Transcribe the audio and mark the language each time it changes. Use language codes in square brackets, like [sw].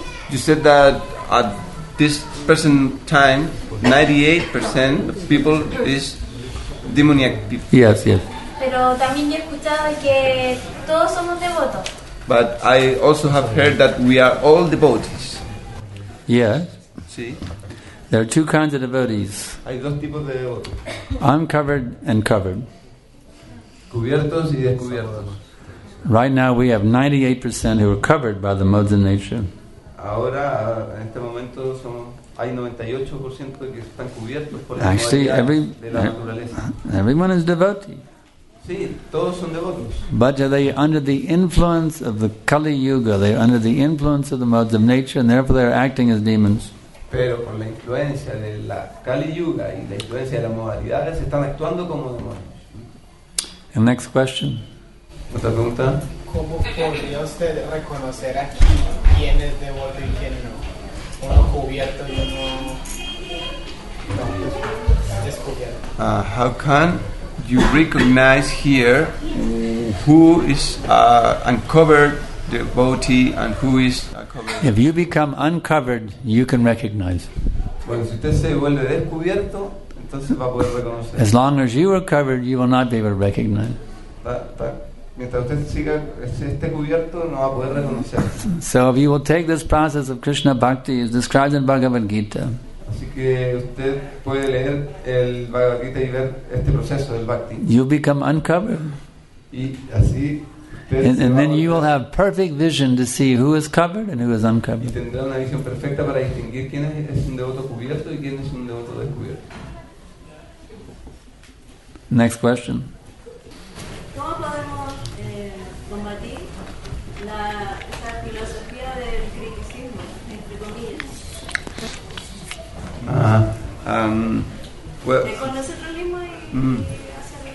[en] You said that at this present time, 98% of people is demoniac people. Yes, yes. [es] Pero también he escuchado que todos somos devotos. [en] But I also have heard that we are all devotees. Yes. [es] Sí. [en] There are two kinds of devotees. [es] Hay dos tipos de devotos. [en] Uncovered and covered. [es] Cubiertos y descubiertos. [en] Right now we have 98% who are covered by the modes of nature. [es] Ahora, en este momento, hay 98% que están cubiertos por la modalidad de la naturaleza. [en] Everyone is devotee. [es] Sí, todos son devotos. [en] But are they under the influence of the Kali Yuga? They are under the influence of the modes of nature and therefore they are acting as demons. [es] Pero con la influencia de la Kali Yuga y la influencia de las modalidades están actuando como demonios. [en] And next question. [es] ¿Otra pregunta? ¿Cómo podría usted reconocer aquí quién es devoto y quién no? Uno cubierto y uno descubierto. [en] How can you recognize here who is uncovered devotee and who is covered? If you become uncovered, you can recognize. [es] Bueno, si usted se vuelve descubierto, entonces va a poder reconocer. [en] As long as you are covered, you will not be able to recognize. [es] Mientras usted siga, esté cubierto, no va a poder reconocer. [en] So if you will take this process of Krishna Bhakti as described in Bhagavad Gita. [es] Así que usted puede leer el Bhagavad Gita y ver este proceso del Bhakti. [en] You become uncovered. [es] Y así [en] And then you will have perfect vision to see who is covered and who is uncovered. [es] Y tendrá una visión perfecta para distinguir quién es un devoto cubierto y quién es un devoto descubierto. [en] Next question. [es] ¿Cómo podemos combatir esa filosofía del criticismo, entre comillas?